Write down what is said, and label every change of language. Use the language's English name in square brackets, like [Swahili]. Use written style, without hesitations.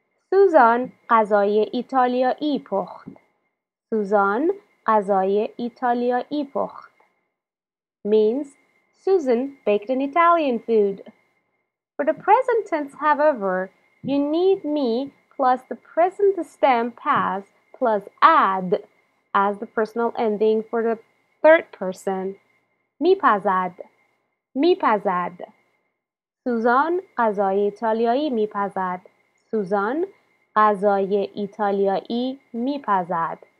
[Persian] Susan غذای ایتالیایی پخت. Susan غذای ایتالیایی پخت. [English] Means Susan baked an Italian food. For the present tense, however, you need me plus the present stem past plus ad as the personal ending for the third person. [Persian] Mi pazad. Mi pazad. Susan غذای ایتالیایی می پزد. Susan غذای ایتالیایی میپزد.